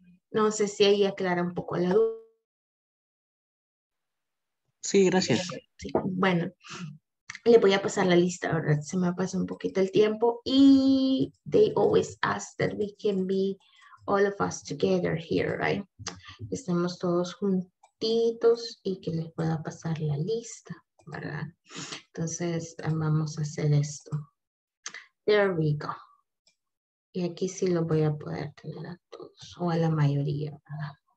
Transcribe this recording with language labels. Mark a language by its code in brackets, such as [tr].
[es] No sé si ahí aclara un poco la duda. Sí, gracias. Sí. Bueno, le voy a pasar la lista, ¿verdad? Se me pasa un poquito el tiempo. [en] Y they always ask that we can be all of us together here, right? [es] Que estemos todos juntitos y que les pueda pasar la lista, ¿verdad? Entonces, vamos a hacer esto. [en] There we go. [es] Y aquí sí lo voy a poder tener a todos o a la mayoría, ¿verdad?